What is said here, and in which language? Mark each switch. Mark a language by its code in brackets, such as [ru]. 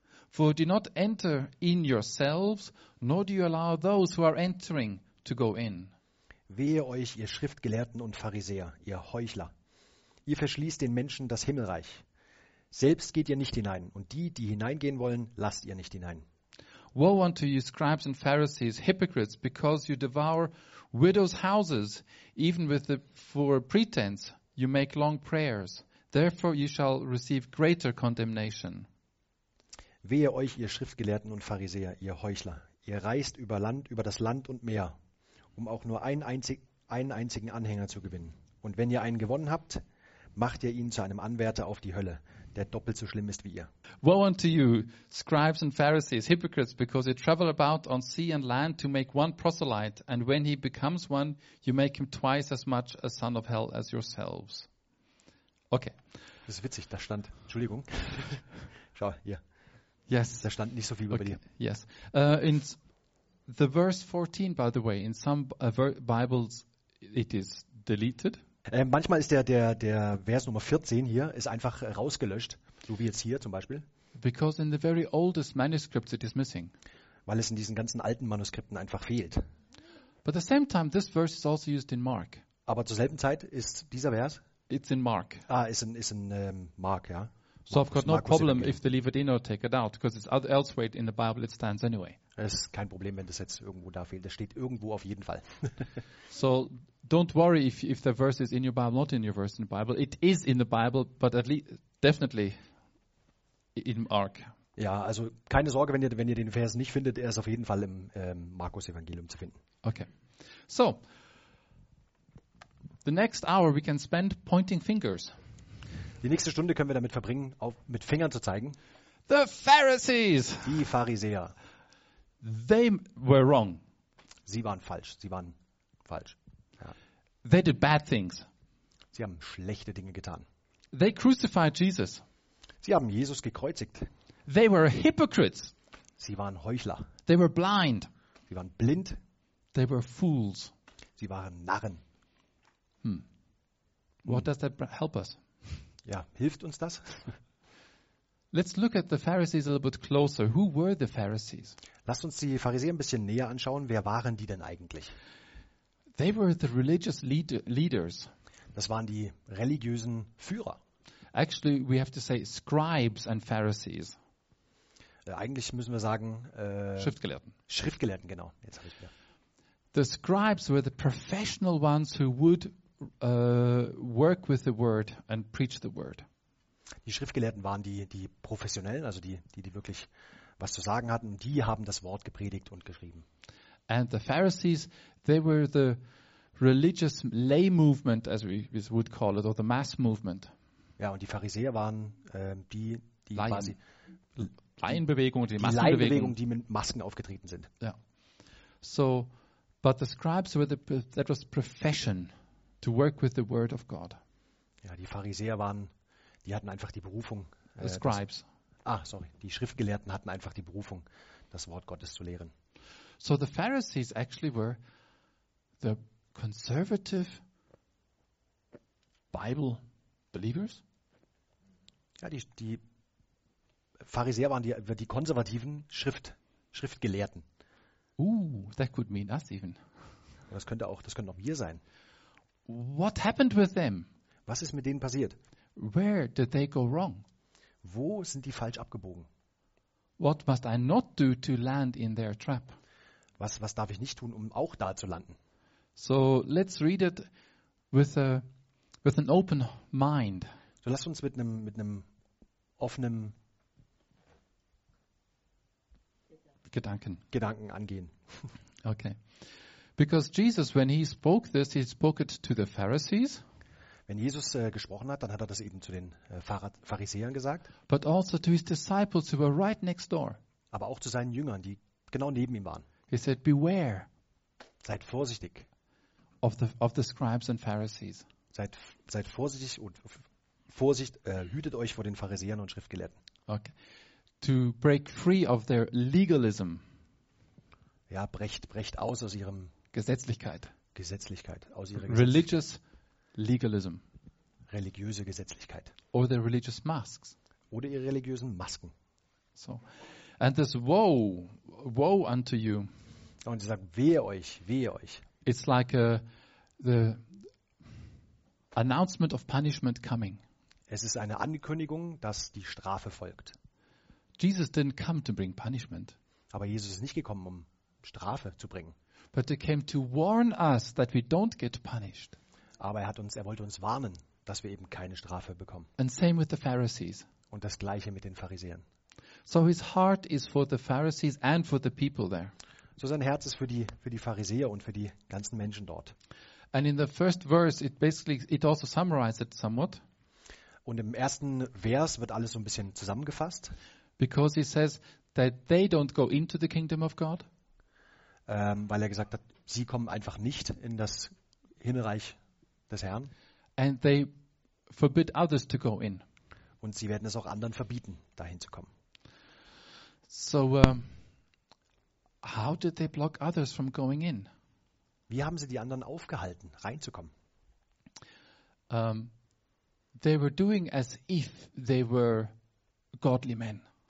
[en] For do not enter in yourselves, nor do you allow those who are entering to go in. [de] Wehe euch, ihr Schriftgelehrten und Pharisäer, ihr Heuchler. Ihr verschließt den Menschen das Himmelreich. Selbst geht ihr nicht hinein, und die, die hineingehen wollen, lasst ihr nicht hinein. [en] Woe unto you, scribes and Pharisees, hypocrites, because you devour widows' houses, even with the for pretense you make long prayers. Therefore you shall receive greater condemnation. [de] Wehe euch, ihr Schriftgelehrten und Pharisäer, ihr Heuchler! Ihr reist über Land, über das Land und Meer, um auch nur einen einzigen Anhänger zu gewinnen. Und wenn ihr einen gewonnen habt, macht ihr ihn zu einem Anwärter auf die Hölle, der doppelt so schlimm ist wie ihr. [en] Woe unto you, scribes and Pharisees, hypocrites, because you travel about on sea and land to make one proselyte, and when he becomes one, you make him twice as much a son of hell as yourselves. Okay. [de] Das ist witzig, da stand, Entschuldigung. Schau, hier. [en] Yes. [de] Da stand nicht so viel über dir. [en] Yes. In the verse 14, by the way, in some Bibles it is deleted. [de] Manchmal ist der Vers Nummer 14 hier ist einfach rausgelöscht, so wie jetzt hier zum Beispiel. [en] Because in the very oldest manuscripts it is missing. [de] Weil es in diesen ganzen alten Manuskripten einfach fehlt. [en] But at the same time, this verse is also used in Mark. [de] Aber zur selben Zeit ist dieser Vers. [en] It's in Mark. [de] Ah, ist in Mark, ja. [en] So I've got no problem if they leave it in or take it out, because it's elsewhere in the Bible it stands anyway. [de] Es ist kein Problem, wenn das jetzt irgendwo da fehlt. Das steht irgendwo auf jeden Fall. [en] So don't worry if the verse is in your Bible, not in your verse in the Bible. It is in the Bible, but at least definitely in Mark. [de] Ja, also keine Sorge, wenn ihr den Vers nicht findet, er ist auf jeden Fall im Markus Evangelium zu finden. [en] Okay. So the next hour we can spend pointing fingers. [de] Die nächste Stunde können wir damit verbringen, mit Fingern zu zeigen. [en] The Pharisees. [de] Die Pharisäer. [en] They were wrong. [de] Sie waren falsch. Sie waren falsch. Ja. [en] They did bad things. [de] Sie haben schlechte Dinge getan. [en] They crucified Jesus. [de] Sie haben Jesus gekreuzigt. [en] They were hypocrites. [de] Sie waren Heuchler. [en] They were blind. [de] Sie waren blind. [en] They were fools. [de] Sie waren Narren. [en] Hm. What does that help us? [de] Ja, hilft uns das? [en] Let's look at the Pharisees a little bit closer. Who were the Pharisees? [de] Lasst uns die Pharisäer ein bisschen näher anschauen. Wer waren die denn eigentlich? [en] They were the religious leaders. [de] Das waren die religiösen Führer. [en] Actually, we have to say scribes and Pharisees. [de] Eigentlich müssen wir sagen Schriftgelehrten. Schriftgelehrten, genau. Jetzt habe ich wieder. [en] The scribes were the professional ones who would work with the word and preach the word. [de] Die Schriftgelehrten waren die Professionellen, also die wirklich was zu sagen hatten. Die haben das Wort gepredigt und geschrieben. [en] And the Pharisees, they were the religious lay movement, as we would call it, or the mass movement. [de] Ja, und die Pharisäer waren die Laien. Quasi Laienbewegung, die Massenbewegung. Laienbewegung, die mit Masken aufgetreten sind. Ja. [en] So, but the scribes were that was profession to work with the word of God. [de] Ja, die Pharisäer waren, die hatten einfach die Berufung. [en] The scribes. [de] Die Schriftgelehrten hatten einfach die Berufung, das Wort Gottes zu lehren. [en] So the Pharisees actually were the conservative Bible believers. [de] Ja, die Pharisäer waren die konservativen Schriftgelehrten. [en] That could mean us even. [de] Das könnte auch wir sein. [en] What happened with them? [de] Was ist mit denen passiert? [en] Where did they go wrong? [de] Wo sind die falsch abgebogen? [en] What must I not do to land in their trap? [de] Was darf ich nicht tun, um auch da zu landen? [en] So let's read it with an open mind. [de] So lasst uns mit einem offenen Gedanken angehen. [en] Okay. Because Jesus, when he spoke this, he spoke it to the Pharisees. [de] Wenn Jesus gesprochen hat, dann hat er das eben zu den Pharisäern gesagt. [en] But also to his disciples who were right next door. [de] Aber auch zu seinen Jüngern, die genau neben ihm waren. [en] He said, beware. [de] Seid vorsichtig. [en] Of the scribes and Pharisees. [de] Seid vorsichtig und Vorsicht, hütet euch vor den Pharisäern und Schriftgelehrten. [en] Okay. To break free of their legalism. [de] Ja, brecht aus ihrem Gesetzlichkeit, aus ihrer [en] religious legalism. [de] Religiöse Gesetzlichkeit. [en] Or their religious masks. [de] Oder ihre religiösen Masken. [en] So. And this woe unto you. [de] Und sie sagt, wehe euch. [en] It's like the announcement of punishment coming. [de] Es ist eine Ankündigung, dass die Strafe folgt. [en] Jesus didn't come to bring punishment. [de] Aber Jesus ist nicht gekommen, um Strafe zu bringen. [en] But he came to warn us that we don't get punished. [de] Aber er wollte uns warnen, dass wir eben keine Strafe bekommen. [en] And same with the Pharisees. [de] Und das gleiche mit den Pharisäern. [en] So his heart is for the Pharisees and for the people there. [de] So sein Herz ist für die Pharisäer und für die ganzen Menschen dort. [en] And in the first verse it also summarizes it somewhat. [de] Und im ersten Vers wird alles so ein bisschen zusammengefasst. [en] Because he says that they don't go into the kingdom of God. [de] Weil er gesagt hat, sie kommen einfach nicht in das Himmelreich des Herrn. [en] And they forbid others to go in. [de] Und sie werden es auch anderen verbieten, dahin zu kommen. [en] So how did they block others from going in? [de] Wie haben sie die anderen aufgehalten, reinzukommen? [en] They were doing as if they were godly men.